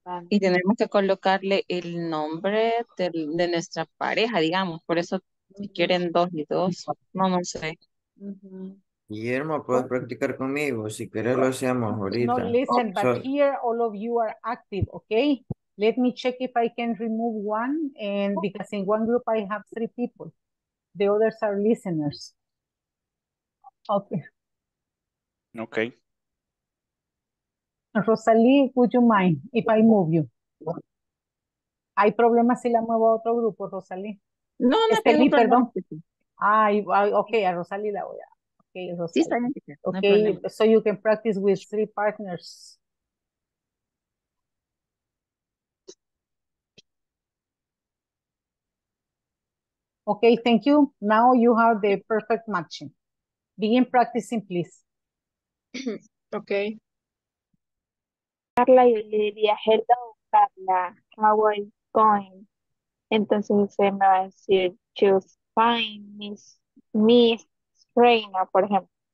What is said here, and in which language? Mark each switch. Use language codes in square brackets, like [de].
[es] Y tenemos que colocarle el nombre de nuestra pareja, digamos. Por eso, si quieren dos y dos, no sé. Guillermo, puedes practicar conmigo. Si quieres, lo hacemos ahorita. [en] No, listen, but here all of you are active, okay? Let me check if I can remove one. And because in one group I have 3 people, the others are listeners. Okay. Okay. Rosalie, would you mind if I move you? [es] ¿Hay problemas si la muevo a otro grupo, Rosalie? No, no tengo problema. Perdón. Okay, a Rosalie la voy a... Okay, Rosalie. Sí, está bien. [en] Okay, no, so you can practice with 3 partners. Okay, thank you. Now you have the perfect matching. Begin practicing, please. Okay. Carla y Lidia, hello, Carla. How are you? going. [es] Entonces usted me va a decir, [en] to find Miss Reina, [es] por ejemplo.